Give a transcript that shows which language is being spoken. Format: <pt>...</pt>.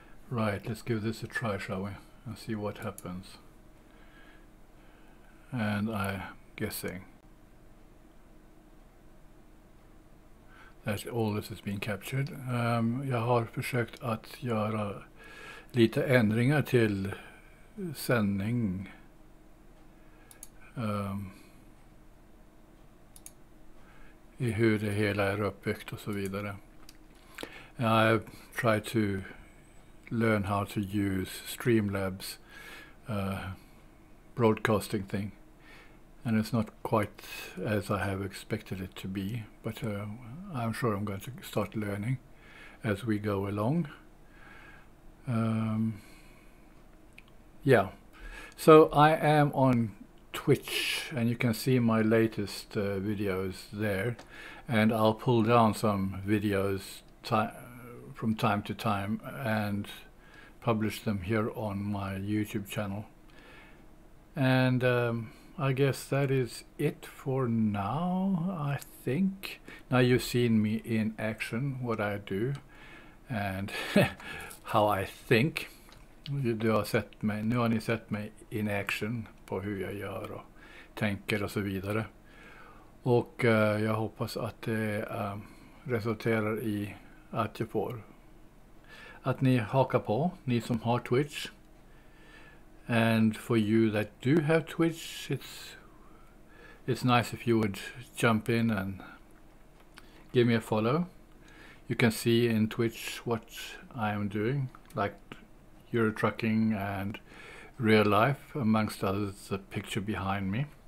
<en>Right, let's give this a try, shall we, and see what happens. And I'm guessing that all this has been captured.</en> <sv>Jag har försökt att göra lite ändringar till sändning. I hur det hela är uppbyggt och så vidare.</sv> <en>I've tried to learn how to use Streamlabs broadcasting thing, and it's not quite as I have expected it to be, but I'm sure I'm going to start learning as we go along. Yeah, so I am on Twitch and you can see my latest videos there, and I'll pull down some videos from time to time and publish them here on my YouTube channel. And I guess that is it for now, I think. Now you've seen me in action, what I do and how I think.</en> <sv>Nu har ni sett mig in action på hur jag gör och tänker och så vidare. Och jag hoppas att det resulterar i att jag får att ni hakar på, ni som har Twitch.</sv> <en>And for you that do have Twitch, it's nice if you would jump in and give me a follow. You can see in Twitch what I am doing, like Euro Trucking and real life, amongst others, the picture behind me.</en>